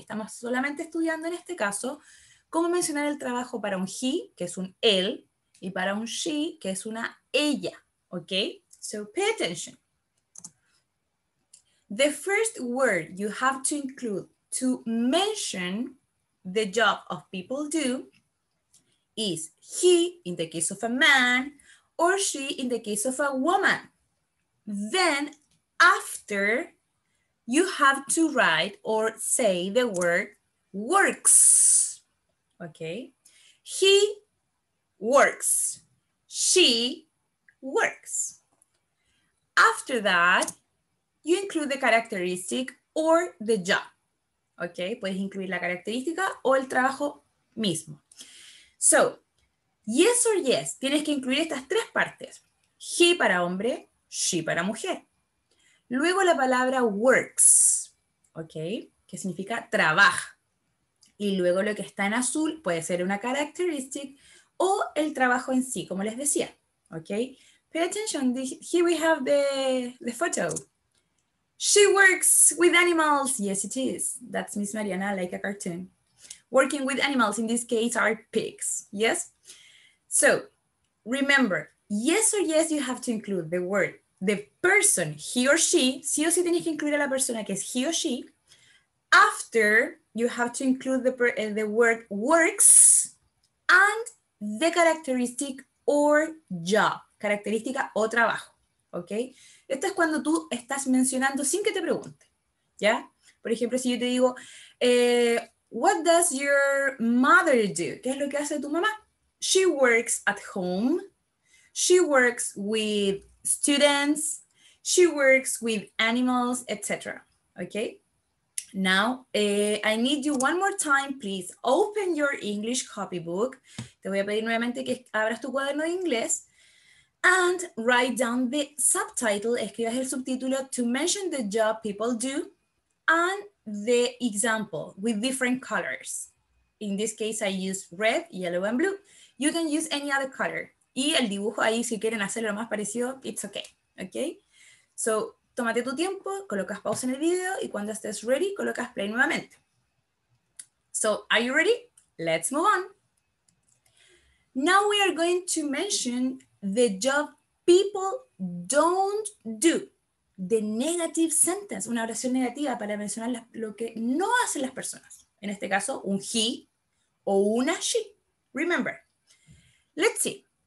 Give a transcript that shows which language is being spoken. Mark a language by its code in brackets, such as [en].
[es] Estamos solamente estudiando en este caso cómo mencionar el trabajo para un he, que es un él, y para un she, que es una ella. [en] Okay? So pay attention. The first word you have to include to mention the job of people do is he in the case of a man or she in the case of a woman. Then after you have to write or say the word works. Okay, he works, she works. After that, you include the characteristic or the job. [es] Okay, puedes incluir la característica o el trabajo mismo. [en] So, yes or yes, [es] tienes que incluir estas tres partes. He para hombre, she para mujer. Luego la palabra works, okay, que significa trabaja. Y luego lo que está en azul puede ser una characteristic o el trabajo en sí, como les decía. [en] Okay, pay attention, here we have the photo. She works with animals. Yes, it is. That's Miss Mariana, like a cartoon. Working with animals, in this case, are pigs. Yes? So, remember, yes or yes, you have to include the word, the person, he or she, [es] sí o sí tienes que incluir a la persona que es [en] he or she. After, you have to include the word works and the characteristic or job, [es] característica o trabajo. [en] Okay? [es] Esto es cuando tú estás mencionando sin que te pregunte. ¿Ya? Por ejemplo, si yo te digo, [en] what does your mother do? [es] ¿Qué es lo que hace tu mamá? [en] She works at home. She works with students. She works with animals, etc. Okay? Now, I need you one more time, please. Open your English copybook. [es] Te voy a pedir nuevamente que abras tu cuaderno de inglés. [en] And write down the subtitle, [es] escribas el subtítulo, [en] to mention the job people do, and the example with different colors. In this case, I use red, yellow, and blue. You can use any other color. [es] Y el dibujo ahí, si quieren hacerlo más parecido, [en] it's okay. Okay? [es] So, tómate tu tiempo, colocas pausa en el video, y cuando estés ready, colocas play nuevamente. [en] So, are you ready? Let's move on. Now we are going to mention the job people don't do. The negative sentence, [es] una oración negativa para mencionar lo que no hacen las personas. En este caso, un he o una she. [en] Remember, let's see.